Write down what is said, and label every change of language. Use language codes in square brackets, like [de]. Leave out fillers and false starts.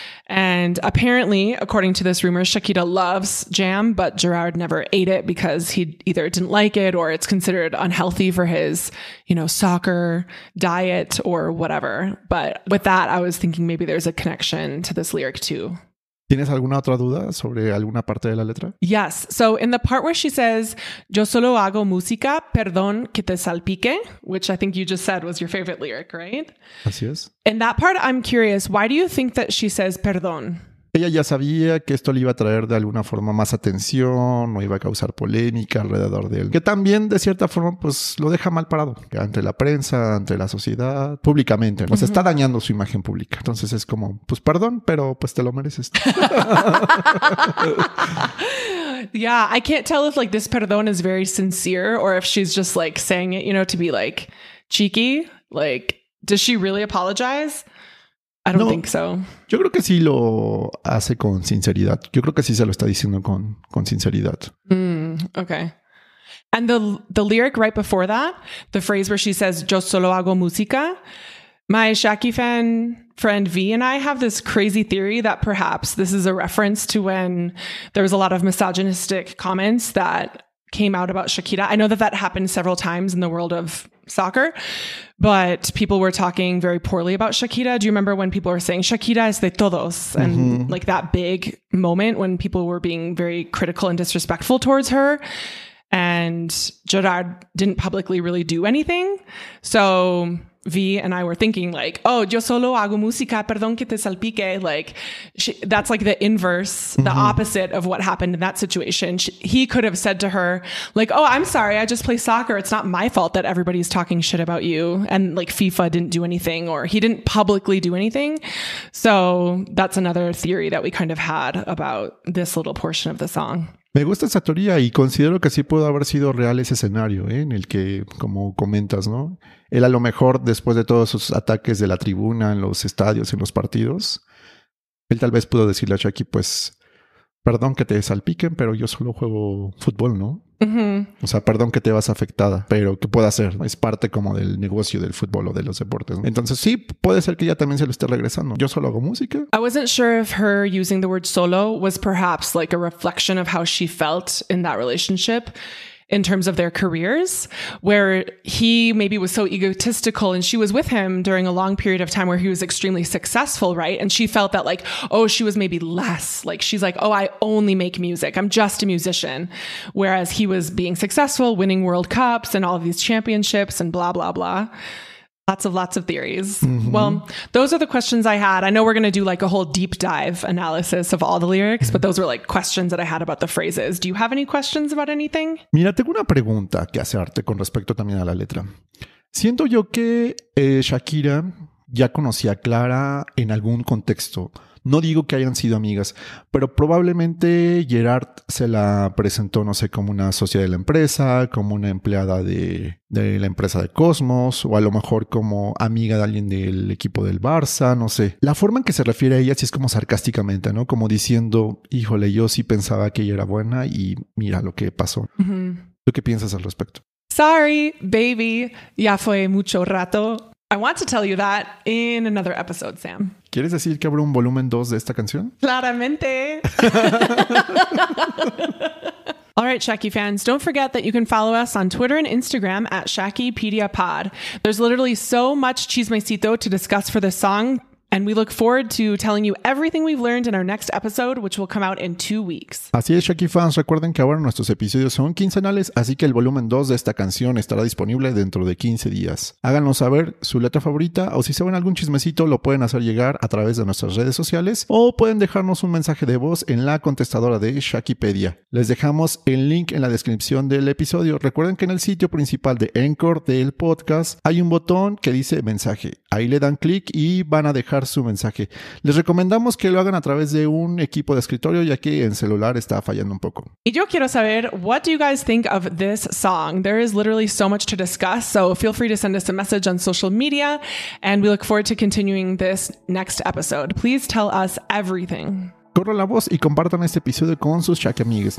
[en] And apparently, according to this rumor, Shakira loves jam, but Gerard never ate it because he either didn't like it or it's considered unhealthy for his, you know, soccer diet or whatever. But with that, I was thinking maybe there's a connection to this lyric too. [es] ¿Tienes alguna otra duda sobre alguna parte de la letra? [en] Yes. So in the part where she says, [es] yo solo hago música, perdón que te salpique, [en] which I think you just said was your favorite lyric, right? [es] Así es. [en] In that part, I'm curious, why do you think that she says perdón? [es] Ella ya sabía que esto le iba a traer de alguna forma más atención, no iba a causar polémica alrededor de él. Que también, de cierta forma, pues lo deja mal parado. Ante la prensa, ante la sociedad, públicamente. Pues está dañando su imagen pública. Entonces es como, pues perdón, pero pues te lo mereces. [en] Yeah, I can't tell if like this perdón is very sincere or if she's just like saying it, you know, to be like cheeky. Like, does she really apologize? I don't think so. [es] Yo creo que sí lo hace con sinceridad. Yo creo que sí se lo está diciendo con sinceridad. [en] Okay. And the lyric right before that, the phrase where she says, [es] yo solo hago música, [en] my Shaki fan friend V and I have this crazy theory that perhaps this is a reference to when there was a lot of misogynistic comments that came out about Shakira. I know that that happened several times in the world of soccer, but people were talking very poorly about Shakira. Do you remember when people were saying [es] Shakira es de todos? [en] And like that big moment when people were being very critical and disrespectful towards her, and Gerard didn't publicly really do anything. So V and I were thinking like, oh, [es] yo solo hago música, perdón que te salpique. [en] Like, that's like the inverse, the opposite of what happened in that situation. He could have said to her like, oh, I'm sorry, I just play soccer. It's not my fault that everybody's talking shit about you. And like FIFA didn't do anything, or he didn't publicly do anything. So that's another theory that we kind of had about this little portion of the song. [es] Me gusta esa teoría y considero que sí pudo haber sido real ese escenario, ¿eh? En el que, como comentas, ¿no? Él a lo mejor, después de todos sus ataques de la tribuna, en los estadios, en los partidos, él tal vez pudo decirle a Shaki, pues, perdón que te salpiquen, pero yo solo juego fútbol, ¿no? O sea, perdón que te vas afectada, pero ¿qué puedo hacer? Es parte como del negocio del fútbol o de los deportes, ¿no? Entonces sí, puede ser que ella también se lo esté regresando. Yo solo hago música. [en] I wasn't sure if her using the word solo was perhaps like a reflection of how she felt in that relationship in terms of their careers, where he maybe was so egotistical and she was with him during a long period of time where he was extremely successful, right? And she felt that like, oh, she was maybe less. Like, she's like, oh, I only make music. I'm just a musician. Whereas he was being successful, winning World Cups and all of these championships and blah, blah, blah. Lots of theories. Mm-hmm. Well, those are the questions I had. I know we're going to do like a whole deep dive analysis of all the lyrics, but those were like questions that I had about the phrases. Do you have any questions about anything? [es] Mira, tengo una pregunta que hacerte con respecto también a la letra. Siento yo que Shakira ya conocía a Clara en algún contexto. No digo que hayan sido amigas, pero probablemente Gerard se la presentó, no sé, como una socia de la empresa, como una empleada de la empresa de Cosmos, o a lo mejor como amiga de alguien del equipo del Barça, no sé. La forma en que se refiere a ella sí es como sarcásticamente, ¿no? Como diciendo, híjole, yo sí pensaba que ella era buena y mira lo que pasó. ¿Tú qué piensas al respecto? [en] Sorry, baby. [es] Ya fue mucho rato. [en] I want to tell you that in another episode, Sam. [es] ¿Quieres decir que habrá un volumen 2 de esta canción? ¡Claramente! [en] All right, Shaki fans, don't forget that you can follow us on Twitter and Instagram @ShakiPediaPod. There's literally so much chismecito to discuss for this song, And we look forward to telling you everything we've learned in our next episode, which will come out in 2 weeks. [es] Así es, Shaky fans. Recuerden que ahora nuestros episodios son quincenales, así que el volumen 2 de esta canción estará disponible dentro de 15 días. Háganos saber su letra favorita o si saben algún chismecito, lo pueden hacer llegar a través de nuestras redes sociales o pueden dejarnos un mensaje de voz en la contestadora de Shakypedia. Les dejamos el link en la descripción del episodio. Recuerden que en el sitio principal de Anchor del podcast hay un botón que dice mensaje. Ahí le dan clic y van a dejar su mensaje. Les recomendamos que lo hagan a través de un equipo de escritorio, ya que en celular está fallando un poco. Y yo quiero saber, [en] what do you guys think of this song? There is literally so much to discuss, so feel free to send us a message on social media, and we look forward to continuing this next episode. Please tell us everything. [es] Corran la voz y compartan este episodio con sus Shaky amigues.